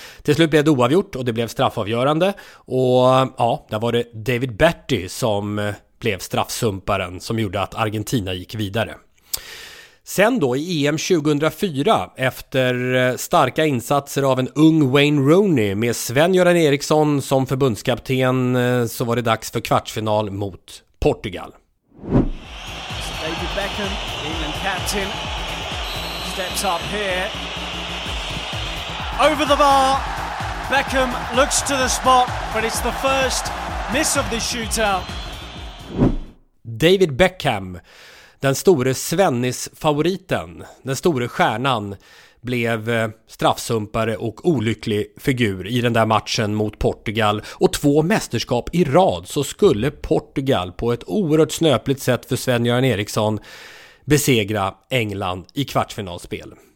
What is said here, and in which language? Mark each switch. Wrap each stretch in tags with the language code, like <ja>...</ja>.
<sv>Till slut blev det oavgjort och det blev straffavgörande. Och ja, där var det David Berti som blev straffsumparen som gjorde att Argentina gick vidare. Sen då i EM 2004 efter starka insatser av en ung Wayne Rooney med Sven-Göran Eriksson som förbundskapten så var det dags för kvartsfinal mot Portugal.</sv> <en>David Beckham, England captain, steps up here. Over the bar, Beckham looks to the spot, but it's the first miss of the shootout.</en> <sv>David Beckham, den store Svennis-favoriten, den store stjärnan, blev straffsumpare och olycklig figur i den där matchen mot Portugal. Och två mästerskap i rad så skulle Portugal på ett oerhört snöpligt sätt för Sven-Göran Eriksson besegra England i kvartsfinalspel.</sv>